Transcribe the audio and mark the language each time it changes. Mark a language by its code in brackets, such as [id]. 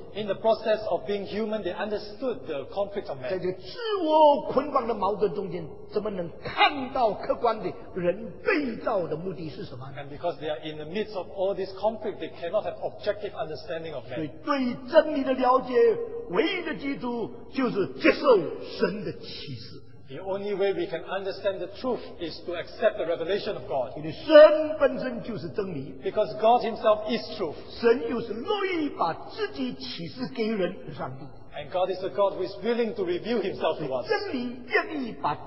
[en] In the process of being human, they understood the conflict of man. [zh] 在这个自我捆绑的矛盾中间。怎么能看到客观的人被造的目的是什么? [en] And because they are in the midst of all this conflict, they cannot have objective understanding of man. [zh] 所以对真理的了解，唯一的基础就是接受神的启示。 [en] The only way we can understand the truth is to accept the revelation of God. [zh] 因为神本身就是真理。 [en] Because God Himself is truth. [zh] 神又是乐意把自己启示给人，上帝。 [en] And God is a God who is willing to reveal Himself to us.